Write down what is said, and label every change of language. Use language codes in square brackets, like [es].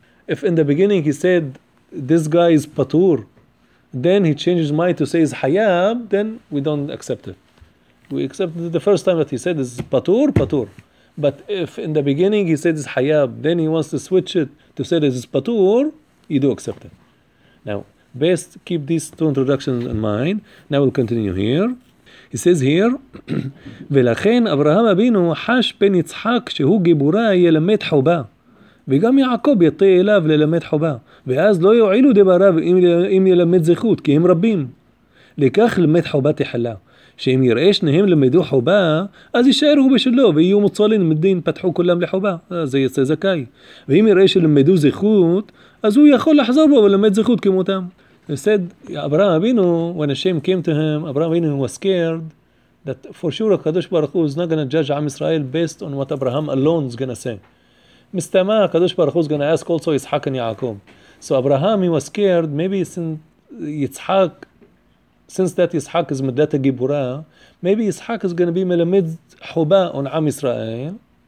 [en] If in the beginning he said, this guy is Patur, then he changes mind to say he's Hayab, then we don't accept it. We accept it the first time that he said this is Patur, Patur. But if in the beginning he said it's Hayab, then he wants to switch it to say this is Patur, you do accept it. Now, best keep these two introductions in mind. Now we'll continue here. [he] He says here, ולכן אברהם אבינו חש בן יצחק שהוא גיבורה ילמד חובה, וגם יעקב יטה אליו ללמד חובה, ואז לא יועילו דבריו אם ילמד זכות, כי הם רבים. לכך למד חובה תחלה, שאם יראה שניהם למדו חובה, אז יישארו בשלו, ויהיו מוצלין מדין, פתחו כולם לחובה, זה יצא זכאי. ואם יראה שלמדו זכות, אז הוא יכול לחזור בו ולמד זכות כמותם. [en] He said, Abraham Avinu, when Hashem came to him, Abraham Avinu was scared that for sure Kadosh Baruch Hu is not going to judge Am Israel based on what Abraham alone is going to say. Mistama, Kadosh Baruch Hu is going to ask also Yitzhak and Yaakov. So Abraham, he was scared, maybe since that Yitzhak is Medata Gibura, maybe Yitzhak is going to be Melamed Chuba on Am Israel.